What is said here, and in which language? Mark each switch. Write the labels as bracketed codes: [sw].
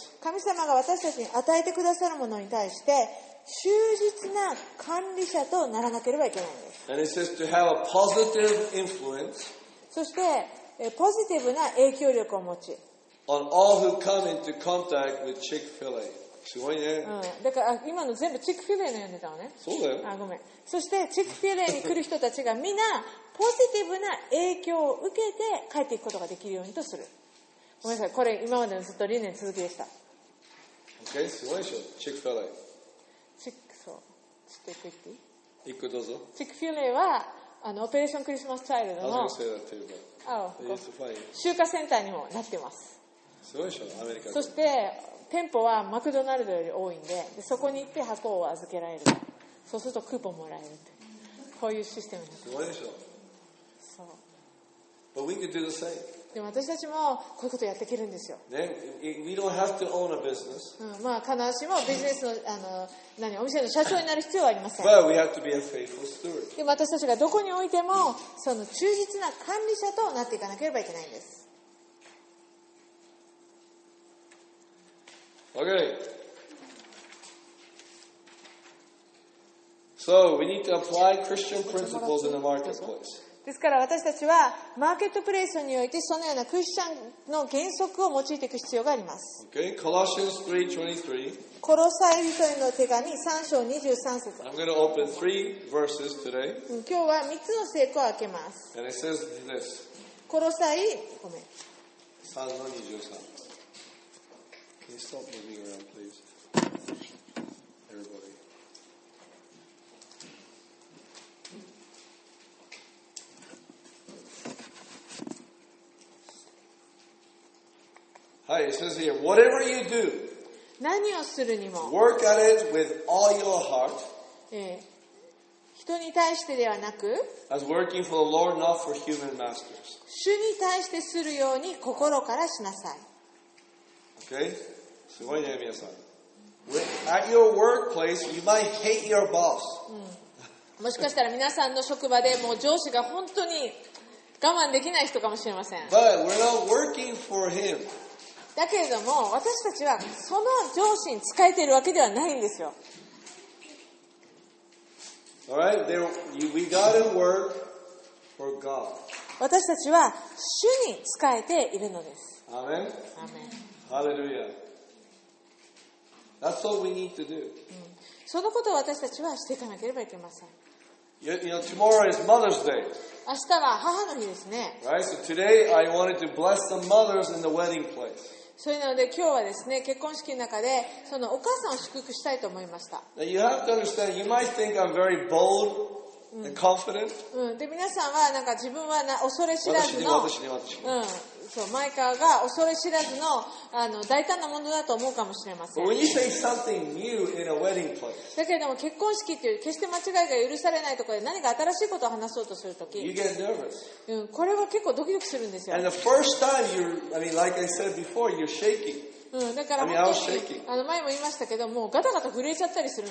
[ja] 神様が私たちに与えてくださるものに対して忠実な管理者とならなければいけないんです。 [en] And it says to have a positive influence. [ja] そしてポジティブな影響力を持ち。 [en] On all who come into contact with Chick-fil-A. [ja] すごいね。うん、だから今の全部チックフィレーの読んでたのね。そうだよ。あ、ごめん。そしてチックフィレーに来る人たちがみんなポジティブな影響を受けて帰っていくことができるようにとする。ごめんなさい。これ今までのずっと理念続きでした。 OK、すごいでしょ。チックフィレー。チック、そう。ちょっと行く、行っていい？行くどうぞ。チックフィレーはあのオペレーションクリスマスチャイルドの。集荷センターにもなってます。すごいでしょ、アメリカで。そして。店舗はマクドナルドより多いん でそこに行って箱を預けられる。そうするとクーポンもらえるって、こういうシステムになってます。すごいでしょ。そう。でも私たちもこういうことやっていけるんですよ。 [en] ね、we don't have to own a business. [ja] うん、まあ必ずしもビジネスの、あの、何、お店の社長になる必要はありません。 [en] But we have to be a faithful steward. [ja] でも私たちがどこにおいてもその忠実な管理者となっていかなければいけないんです。 [en] Okay. So we need to apply Christian principles in the marketplace. [ja] ですから私たちはマーケットプレイスにおいてそのようなクリスチャンの原則を用いていく必要があります。 [en] Okay. Colossians 3:23. [ja] コロサイ人への手紙3章23節。 [en] I'm going to open three verses today. [ja] 今日は3つの聖句を開けます。 [en] And it says this. [ja] コロサイ、ごめん。 3の23。 [en] Can you stop moving around, please? Everybody. Hi, it says here, whatever you do, [ja] 何をするにも [en] work at it with all your heart. [ja] 人に対してではなく [en] as working for the Lord, not for human masters. [ja] 主に対してするように心からしなさい。 Okay? すごいね、皆さん。 [en] At your workplace, you might hate your boss. [ja] もしかしたら皆さんの職場でもう上司が本当に我慢できない人かもしれません。 [en] But we're not working for him. [ja] だけれども、私たちはその上司に仕えているわけではないんですよ。 [en] All right? There, we gotta work for God. [ja] 私たちは主に仕えているのです。アーメン。アーメン。 [en] ハレルヤ。That's all we need to do. [ja] そのことを私たちはしていかなければいけません。 [en] You know, tomorrow is Mother's Day. [ja] 明日は母の日ですね。 [en] Right? So today I wanted to bless the mothers in the wedding place. [ja] それなので今日はですね、結婚式の中でそのお母さんを祝福したいと思いました。 [en] Now you have to understand. You might think I'm very bold and confident. [ja] で皆さんはなんか自分はな恐れ知らずの。私に。そう、マイカーが恐れ知らず あの大胆なものだと思うかもしれません。だけれども結婚式という決して間違いが許されないところで何か新しいことを話そうとするとき、これは結構ドキドキするんですよ。 [en] And the first time you, I mean, like I said before, you're shaking. [ja] だから本当にあの前も言いましたけどもうガタガタ震えちゃったりするん